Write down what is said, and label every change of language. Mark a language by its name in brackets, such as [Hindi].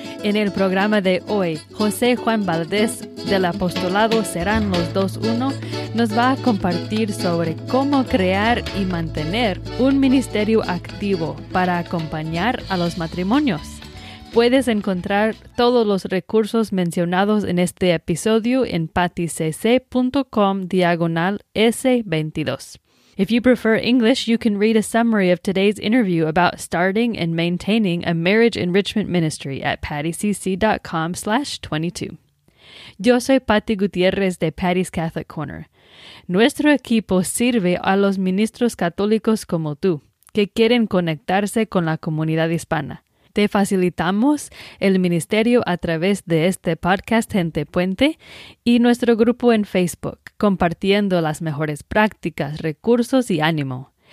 [Spanish] En el programa de hoy, José Juan Valdez del apostolado Serán los 2-1 nos va a compartir sobre cómo crear y mantener un ministerio activo para acompañar a los matrimonios. Puedes encontrar todos los recursos mencionados en este episodio en patticc.com/S22. [English] If you prefer English, you can read a summary of today's interview about starting and maintaining a marriage enrichment ministry at patticc.com/22. [Spanish] Yo soy Patti Gutiérrez de Patty's Catholic Corner. Nuestro equipo sirve a los ministros católicos como tú, que quieren conectarse con la comunidad hispana. Te facilitamos el ministerio a través de este podcast Gente Puente y nuestro grupo en Facebook, compartiendo las mejores prácticas, recursos y ánimo.